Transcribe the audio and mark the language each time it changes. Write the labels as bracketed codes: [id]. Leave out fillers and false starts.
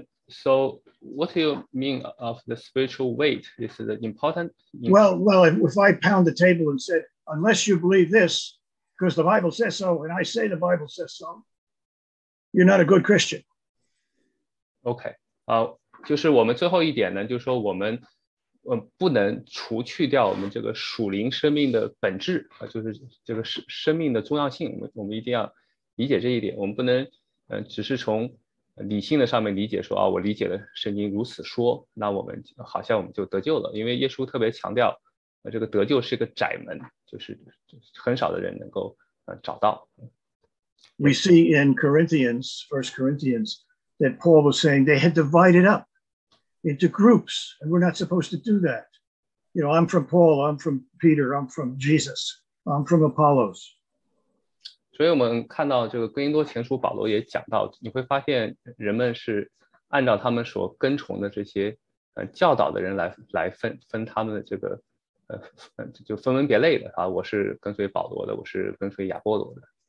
[en] So what do you mean of the spiritual weight? Is it important? Well, if I pound the table and said, unless you believe this, because the Bible says so, and I say the Bible says so, you're not a good Christian. Okay. [zh] 就是我们最后一点呢，就是说我们不能除去掉我们这个属灵生命的本质，就是这个生命的重要性，我们一定要理解这一点。我们不能只是从理性的上面理解说，我理解了圣经如此说，那我们好像我们就得救了。因为耶稣特别强调这个得救是一个窄门，就是很少的人能够找到。 [en] We see in Corinthians, 1 Corinthians, that Paul was saying they had divided upinto groups, and we're not supposed to do that. You know, I'm from Paul, I'm from Peter, I'm from Jesus, I'm from Apollos. [zh] 所以我们看到这个哥林多前书保罗也讲到，你会发现人们是按照他们所跟从的这些教导的人来分他们的这个就分门别类的啊，我是跟随保罗的，我是跟随亚波罗的。